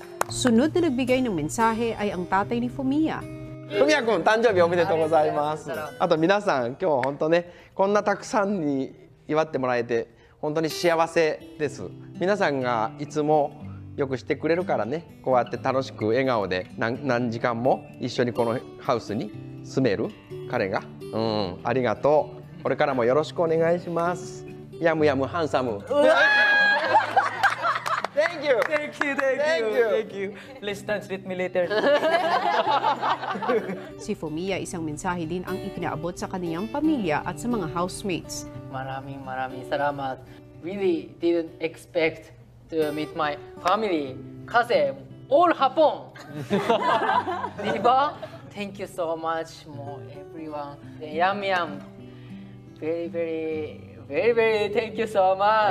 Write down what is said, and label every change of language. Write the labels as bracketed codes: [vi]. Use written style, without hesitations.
[tl] Sunod na nagbigay ng mensahe ay ang tatay ni Fumiya. [ja] Fumiya-kun, 誕生日おめでとうございます。あと皆さん、今日は本当ね、こんなたくさんに祝ってもらえて、本当に幸せです。皆さんがいつもよくしてくれるからね、こうやって楽しく笑顔で 何時間も一緒にこのハウスに住める彼が、うん、ありがとう。これからもよろしくお願いします。やむやむハンサム。 [en] Thank Thank you. Thank you. Thank you. Thank you. Please translate me later. [tl] Si Fumiya, isang mensahe din ang ipinaabot sa kaniyang pamilya at sa mga housemates. Maraming salamat. [en] Really didn't expect to meet my family [tl] kasi [en] all Hapon. [tl] Diba? [en] Thank you so much, everyone. Yum yum. Very, very, very, very thank you so much.